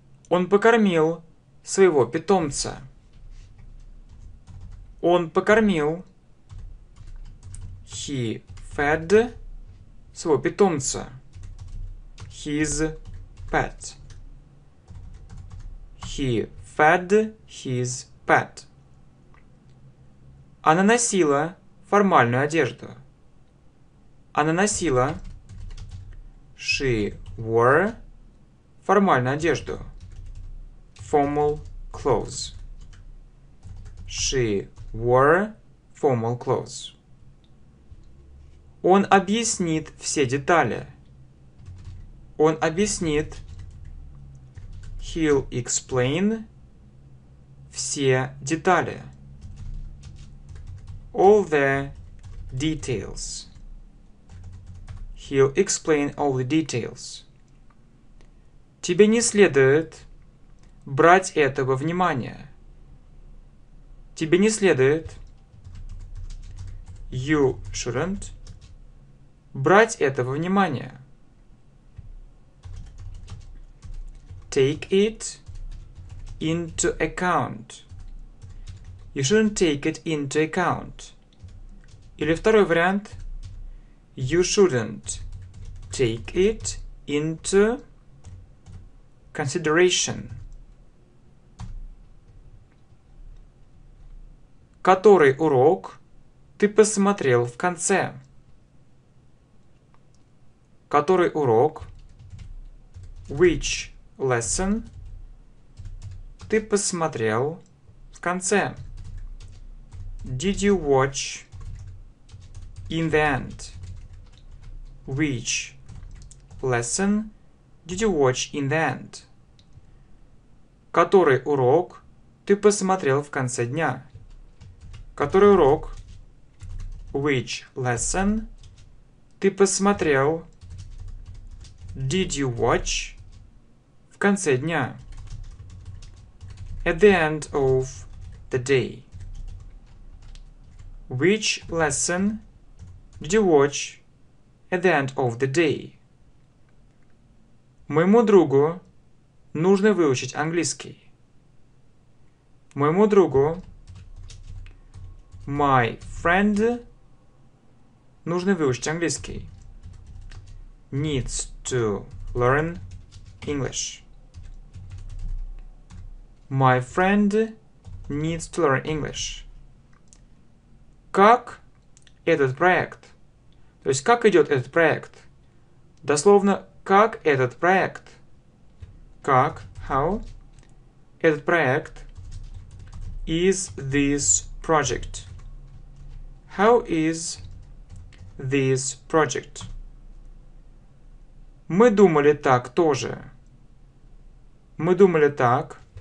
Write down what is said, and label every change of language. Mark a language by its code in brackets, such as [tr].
[ru] Он покормил своего питомца. Он покормил. [en] He fed [ru] своего питомца. [en] His pet. He fed his pet. [ru] Она носила формальную одежду. Она носила. [en] She wore [ru] формальную одежду. [en] Formal clothes. She wore formal clothes. [ru] Он объяснит все детали. Он объяснит. [en] He'll explain [ru] все детали. [en] All the details. He'll explain all the details. [ru] Тебе не следует брать это во внимание. Тебе не следует. [en] You shouldn't [ru] брать это во внимание. [en] Take it into account. You shouldn't take it into account. [ru] Или второй вариант. [en] You shouldn't take it into consideration. [ru] Который урок ты посмотрел в конце? Который урок? [en] Which lesson [ru] ты посмотрел в конце? [en] Did you watch in the end? Which lesson did you watch in the end? [ru] Который урок ты посмотрел в конце дня? Который урок? [en] Which lesson [ru] ты посмотрел? [en] Did you watch [ru] в конце дня? [en] At the end of the day. Which lesson did you watch at the end of the day? [ru] Моему другу нужно выучить английский. Моему другу. [en] My friend [ru] нужно выучить английский. [en] Needs to learn English. My friend needs to learn English. [ru] Как этот проект? То есть, как идет этот проект? Дословно, как этот проект? Как, [en] how, [ru] этот проект, [en] is this project? How is this project? [ru] Мы думали так тоже. Мы думали так.